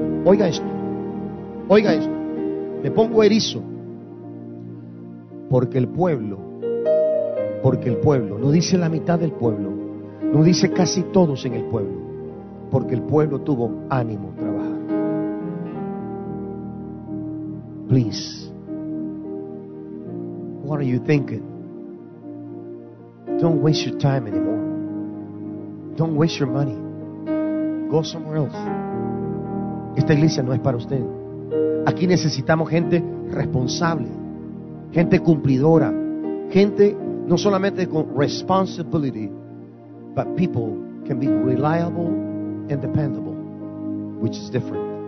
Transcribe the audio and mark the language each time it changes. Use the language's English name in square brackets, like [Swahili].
[Spanish] Oiga esto, oiga esto. Me pongo erizo porque el pueblo, no dice la mitad del pueblo, no dice casi todos en el pueblo, porque el pueblo tuvo ánimo a trabajar. [English] Please, what are you thinking? Don't waste your time anymore. Don't waste your money. Go somewhere else. [Spanish] Esta iglesia no es para usted. Aquí necesitamos gente responsable, gente cumplidora, gente no solamente con [English] responsibility, but people can be reliable and dependable, which is different.